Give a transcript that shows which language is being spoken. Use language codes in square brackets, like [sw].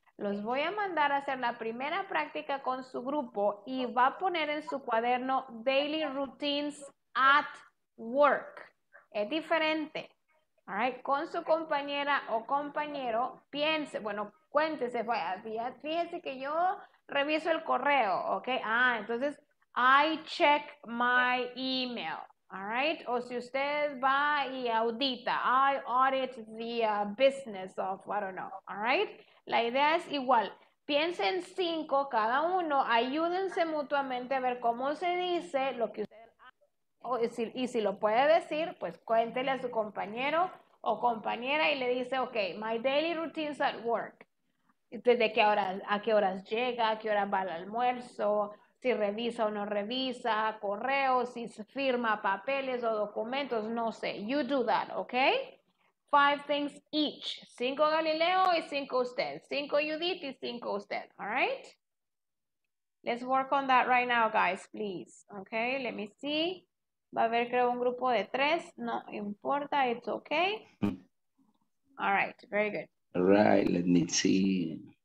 [es] Los voy a mandar a hacer la primera práctica con su grupo y va a poner en su cuaderno daily routines at work. Es diferente. All right. Con su compañera o compañero, piense, bueno, cuéntese, fíjese que yo reviso el correo, ¿ok? [en] Ah, entonces, I check my email, all right? O si usted va y audita, I audit the business of, I don't know, all right? [es] La idea es igual, piensen cinco cada uno, ayúdense mutuamente a ver cómo se dice lo que usted hace. Y si lo puede decir, pues cuéntele a su compañero o compañera y le dice, ok, my daily routines at work. ¿Desde qué hora, a qué horas llega, a qué horas va al almuerzo, si revisa o no revisa, correos, si firma papeles o documentos, no sé, you do that, ok? Five things each. Cinco Galileo y cinco usted. Cinco Judith y cinco usted. All right? [en] Let's work on that right now, guys, please. Okay, let me see. [es] Va a haber creo un grupo de tres. [en] No importa, it's okay. All right, very good. All right, let me see.